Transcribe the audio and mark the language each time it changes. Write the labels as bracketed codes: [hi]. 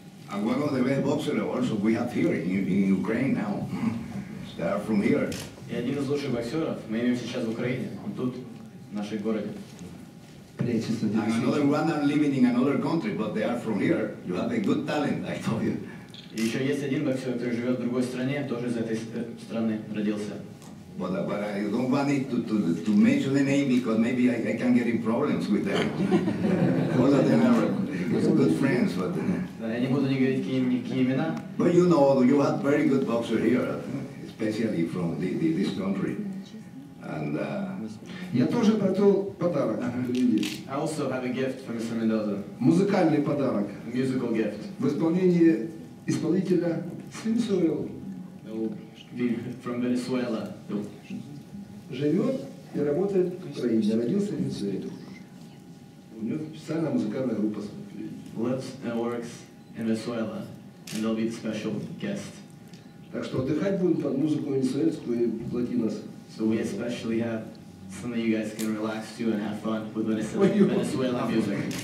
[en] And one of the best boxers also we have here in Ukraine now. They are from here. [ru] И один из лучших боксеров мы имеем сейчас в Украине. Он тут, в нашей городе. [en] And another one are living in another country, but they are from here. You have a good talent, I told you. [ru] И еще есть один боксер, который живет в другой стране, тоже из этой страны родился. [en] But I don't want it to mention the name because maybe I can get in problems with them. All of them are good friends, but... [ru] Я не буду говорить какие имена. [en] But you know, you have very good boxer here, especially from this country. And [ru] я тоже приготовил подарок. [en] I also have a gift for Mr. Mendoza. [ru] Музыкальный подарок. [en] A musical gift. [ru] В исполнении исполнителя Свинсуэл. [en] From Venezuela. [ru] Живет и работает в Украине. Родился в Венесуэле. У него специальная музыкальная группа. [en] Lives and works in Venezuela, and they'll be the special guest. [ru] Так что отдыхать будем под музыку венесуэльскую и латино. [en] So we especially have something you guys can relax to and have fun with Venezuela music.